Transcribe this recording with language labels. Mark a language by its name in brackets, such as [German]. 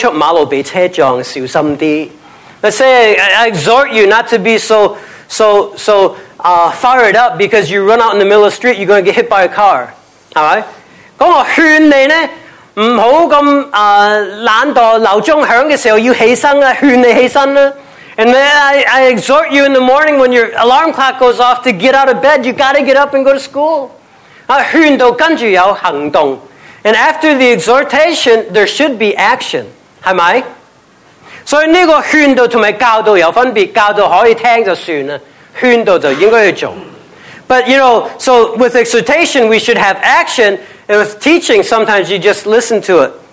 [Chinese] 例如呢，我劝你不要那么冲动，冲出马路被车撞，小心点。 [English] Let's say I exhort you not to be so fired up because you run out in the middle of the street, you're going to get hit by a car. Alright? [Chinese] 那我劝你呢，不要那么懒惰，闹钟响的时候要起身啊，劝你起身啊。 [English] And then I exhort you in the morning when your alarm clock goes off to get out of bed. You got to get up and go to school. [Chinese] 劝导跟着有行动。 [English] And after the exhortation, there should be action. [Chinese] 是吗？所以这个劝导和教导有分别。教导可以听就算了。劝导就应该要做。 [English] But you know, so with exhortation, we should have action. And with teaching, sometimes you just listen to it.